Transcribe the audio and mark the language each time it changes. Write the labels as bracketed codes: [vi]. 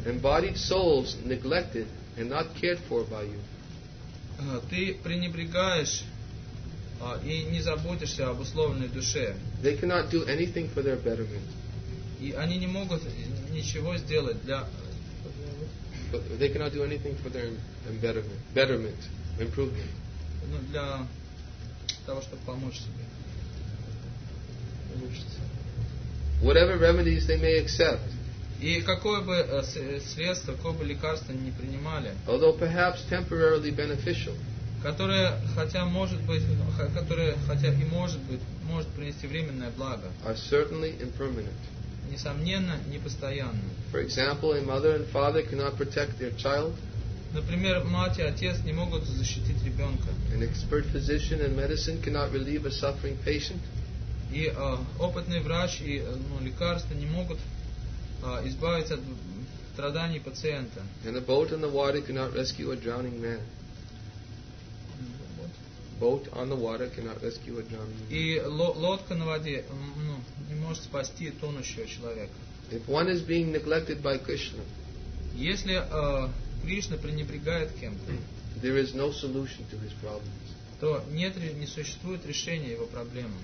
[en] Embodied souls neglected and not cared for by you. [ru] Ты пренебрегаешь и не заботишься об условленной душе. [en] They cannot do anything for their betterment. [ru] И они не могут ничего сделать для. [en] They cannot do anything for their betterment, improvement. [ru] Ну, для того, чтобы помочь себе. [en] Whatever remedies they may accept. [ru] И какое бы средство, какое бы лекарство они не принимали. [en] Although perhaps temporarily beneficial. [ru] Которое хотя может быть, которое хотя и может быть, может принести временное благо. [en] Are certainly impermanent. [ru] Несомненно, непостоянно. [en] For example, a mother and father cannot protect their child. [ru] Например, мать и отец не могут защитить ребенка. [en] An expert physician in medicine cannot relieve a suffering patient. [ru] И опытный врач и лекарства не могут избавиться от страданий пациента. [en] And a boat on the water cannot rescue a drowning man. Boat on the water cannot rescue a drowning man. [ru] И лодка на воде не может спасти тонущего человека. [en] If one is being neglected by Krishna, [ru] если Кришна пренебрегает кем-то, [en] there is no solution to his problem. [ru] То нет, не существует решения его проблемам.